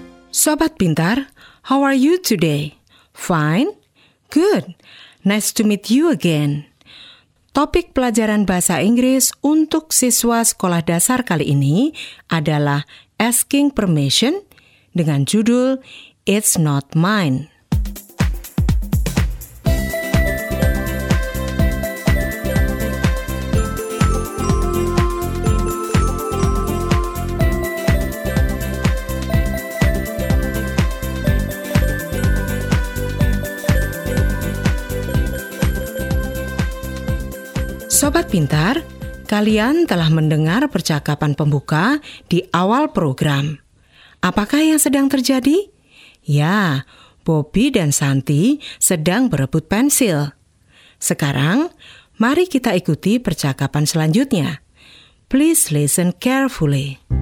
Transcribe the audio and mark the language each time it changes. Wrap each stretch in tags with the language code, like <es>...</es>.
<id>Sobat pintar,</id> <en>how are you today? Fine? Good. Nice to meet you again.</en> <id>Topik pelajaran bahasa Inggris untuk siswa sekolah dasar kali ini adalah Asking Permission dengan judul</id> <en>It's Not Mine.</en> <id>Sobat pintar, kalian telah mendengar percakapan pembuka di awal program. Apakah yang sedang terjadi? Ya, Bobby dan Santi sedang berebut pensil. Sekarang, mari kita ikuti percakapan selanjutnya.</id> <en>Please listen carefully.</en>